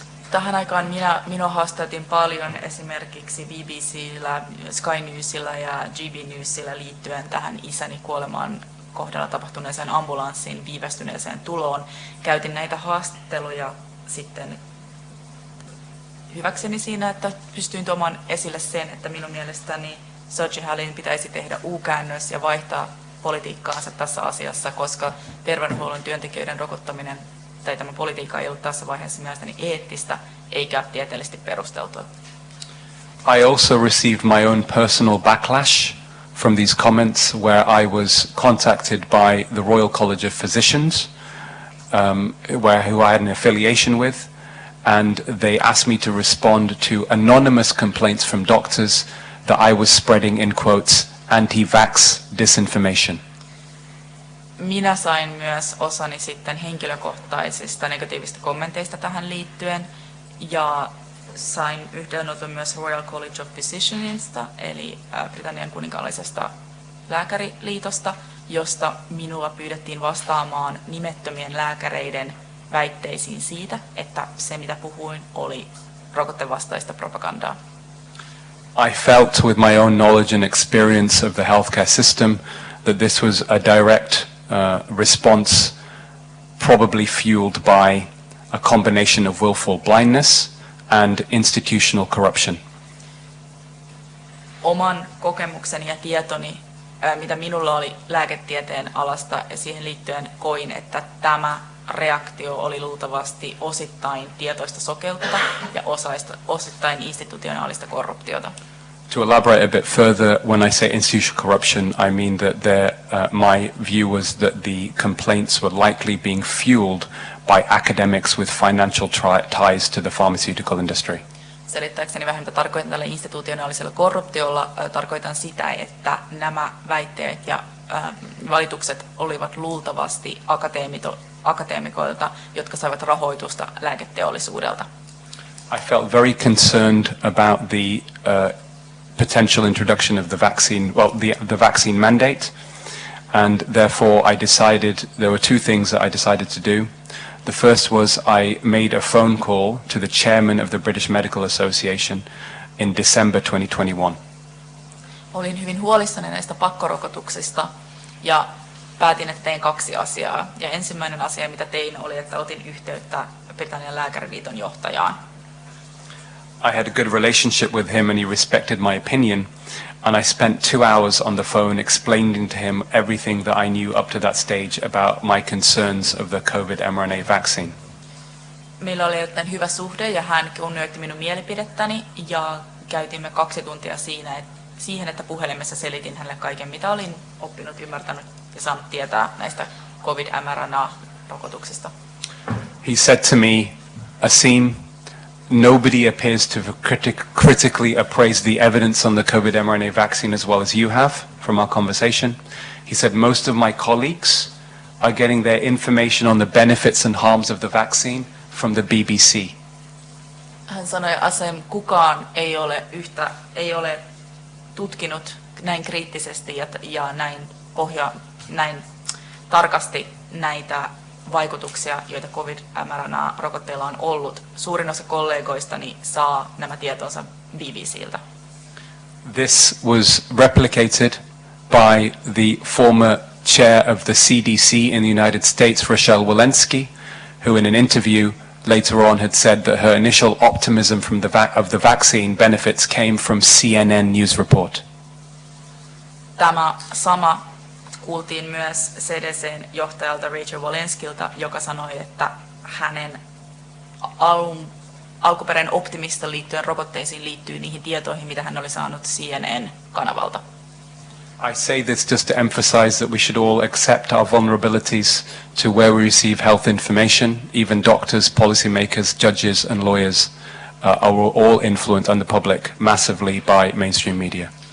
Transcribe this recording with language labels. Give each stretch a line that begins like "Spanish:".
Finnish: Tähän aikaan minua haastateltiin paljon esimerkiksi BBC:llä, Sky Newsilla ja GB Newsilla liittyen tähän isäni kuolemaan kohdalla tapahtuneeseen ambulanssiin viivästyneeseen tuloon. Käytin näitä haastatteluja sitten hyväkseni siinä, että pystyin tuomaan esille sen, että minun mielestäni Sajid Hallin pitäisi tehdä U-käännös ja vaihtaa politiikkaansa tässä asiassa, koska terveydenhuollon työntekijöiden rokottaminen tai tämä politiikka ei ollut tässä vaiheessa mielestäni eettistä eikä tieteellisesti perusteltua.
English: I also received my own personal backlash from these comments, where I was contacted by the Royal College of Physicians, who I had an affiliation with, and they asked me to respond to anonymous complaints from doctors that I was spreading, in quotes, anti-vax disinformation.
Finnish: Minä sain myös osani sitten henkilökohtaisista negatiivista kommenteista tähän liittyen, ja sain yhteydenoton myös Royal College of Physicianista, eli Britannian kuninkaallisesta lääkäriliitosta, josta minua pyydettiin vastaamaan nimettömien lääkäreiden väitteisiin siitä, että se mitä puhuin oli rokotevastaista propagandaa.
English: I felt with my own knowledge and experience of the healthcare system that this was a direct response probably fueled by a combination of willful blindness and institutional corruption.
Finnish: Oman kokemukseni ja tietoni, mitä minulla oli lääketieteen alasta ja siihen liittyen, koin, että tämä reaktio oli luultavasti osittain tietoista sokeutta ja osittain institutionaalista korruptiota.
English: To elaborate a bit further, when I say institutional corruption, I mean that my view was that the complaints were likely being fueled by academics with financial ties to the pharmaceutical industry.
Finnish: Selittääkseni vähän, mitä tarkoitan tällä institutionaalisella korruptiolla, tarkoitan sitä, että nämä väitteet ja valitukset olivat luultavasti akateemikoilta, jotka saivat rahoitusta lääketeollisuudelta.
English: I felt very concerned about the potential introduction of the vaccine, well, the vaccine mandate, and therefore I decided, there were two things that I decided to do. The first was I made a phone call to the chairman of the British Medical Association in December 2021.
Finnish: Olin hyvin huolissani näistä pakkorokotuksista ja päätin, että tein kaksi asiaa. Ja ensimmäinen asia, mitä tein, oli, että otin yhteyttä Britannian lääkäriliiton johtajaan.
English: I had a good relationship with him and he respected my opinion, and I spent 2 hours on the phone explaining to him everything that I knew up to that stage about my concerns of the COVID mRNA vaccine.
Finnish: meillä oli jotain hyvä suhde ja hän kunnioitti minun mielipidettäni ja käytimme 2 tuntia siinä, siihen, että puhelimessa selitin hänelle kaiken, mitä olin oppinut, ymmärtänyt ja saanut tietää näistä COVID-mRNA-rokotuksista.
English: He said to me, Asim, nobody appears to critically appraise the evidence on the COVID mRNA vaccine as well as you have from our conversation. He said, most of my colleagues are getting their information on the benefits and harms of the vaccine from the BBC.
Finnish: Hän sanoi, Asim, kukaan ei ole tutkinut näin kriittisesti ja näin tarkasti näitä vaikutuksia, joita COVID-mRNA-rokotteilla on ollut. Suurin osa kollegoistani saa nämä tietonsa BBC:ltä.
English: This was replicated by the former chair of the CDC in the United States, Rochelle Walensky, who in an interview later on had said that her initial optimism from the vaccine benefits came from CNN news report.
Finnish: Tämä sama kuultiin myös CDC:n johtajalta Rachel Walenskilta, joka sanoi, että hänen alkuperäinen optimista liittyen rokotteisiin liittyy niihin tietoihin, mitä hän oli saanut CNN-kanavalta.
English: I say this just to emphasize that we should all accept our vulnerabilities to where we receive health information. Even doctors, policymakers, judges and lawyers are all influenced on the public massively by mainstream media.